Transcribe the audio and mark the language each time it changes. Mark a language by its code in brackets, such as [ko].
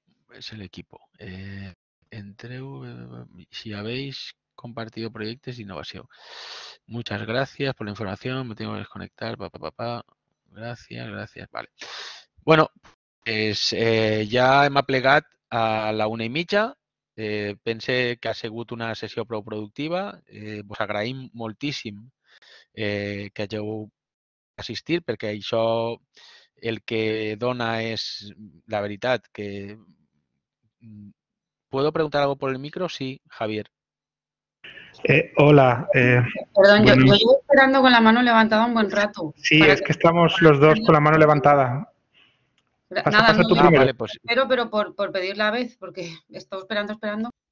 [ca] És l'equip. Entreu, si [es] habéis compartido [ca] projectes d'innovació. [es] Muchas gracias por la información, me tengo que desconectar, Gracias, vale. [ca] Bueno, pues, ja hem aplegat a la 1:30. Pense que ha sigut una sessió prou productiva. Vos agraïm moltíssim que hagueu assistit, perquè això el que dona és la veritat que... [es] ¿Puedo preguntar algo por el micro? Sí, Javier. Hola. Perdón, bueno, yo llevo esperando con la mano levantada un buen rato. Sí, es que estamos los dos con la mano levantada. Pero, por pedir la vez, porque he estado esperando.